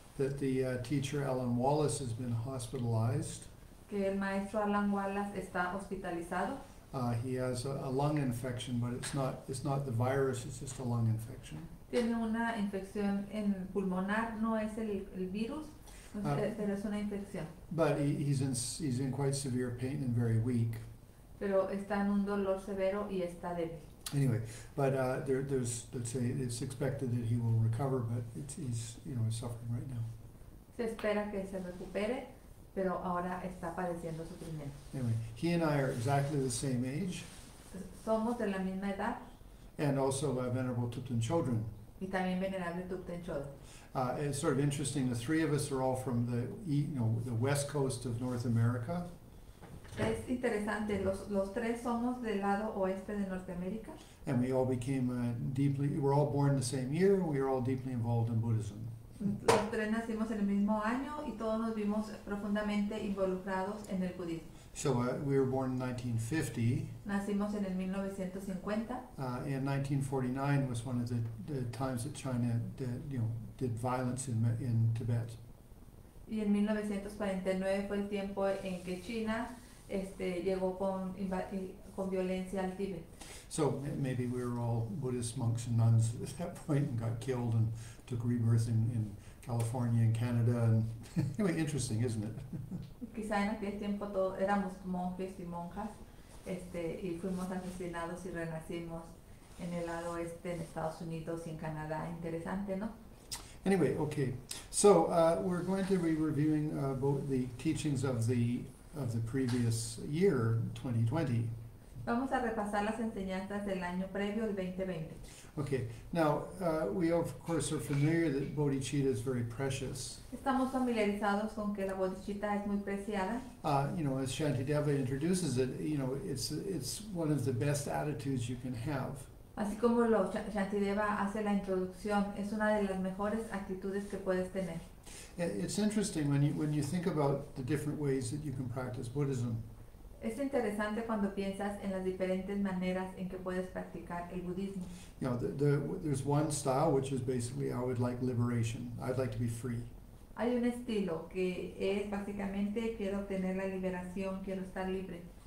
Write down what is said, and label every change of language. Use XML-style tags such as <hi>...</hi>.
<en>That the teacher Alan Wallace has been hospitalized.</en> <es>Que el maestro Alan Wallace está hospitalizado.</es> <en>He has a lung infection, but it's not the virus, it's just a lung infection.</en> <es>Tiene una infección en pulmonar, no es el virus, pero es una infección.</es> <en>But he's in quite severe pain and very weak.</en> <es>Pero está en un dolor severo y está débil.</es> <en>Anyway, but there's let's say it's expected that he will recover, but he's suffering right now.</en> <es>Se espera que se recupere, pero ahora está padeciendo sufrimiento.</es> <en>Anyway, he and I are exactly the same age.</en> <es>Somos de la misma edad.</es> <en>And also Venerable Thupten Chodron.</en> <es>Y también Venerable Thupten Chodron.</es> <en>It's sort of interesting, the three of us are all from the west coast of North America.</en> <es>Es interesante, los tres somos del lado oeste de Norteamérica.</es> <en>And we all became we're all born the same year, we are all deeply involved in Buddhism.</en> <es>Los tres nacimos en el mismo año y todos nos vimos profundamente involucrados en el budismo.</es> <en>So we were born in 1950.</en> <es>Nacimos en el 1950.</es> <en>And 1949 was one of the times that China did violence in Tibet.</en> <es>Y en 1949 fue el tiempo en que China llegó con violencia al Tíbet.</es> <en>So maybe we were all Buddhist monks and nuns at that point and got killed and took rebirth in California and Canada and anyway, interesting, isn't it?</en> <es>Quizá en aquel tiempo todos éramos monjes y monjas, y fuimos asesinados y renacimos en el lado oeste en Estados Unidos y en Canadá. Interesante, ¿no?</es> <en>Anyway, okay. So we're going to be reviewing both the teachings of the previous year, 2020.</en> <es>Vamos a repasar las enseñanzas del año previo, el 2020.</es> <en>Okay, now we of course are familiar that Bodhicitta is very precious.</en> <es>Estamos familiarizados con que la Bodhicitta es muy preciada.</es> <en>As Shantideva introduces it, it's one of the best attitudes you can have.</en> <es>Así como lo Shantideva hace la introducción, es una de las mejores actitudes que puedes tener.</es> <en>It's interesting when you think about the different ways that you can practice Buddhism.</en> <es>Es interesante cuando piensas en las diferentes maneras en que puedes practicar el budismo.</es> <en>There's one style which is basically I would like liberation. I'd like to be free.</en> <es>Hay un estilo que es básicamente quiero obtener la liberación, quiero estar libre.</es>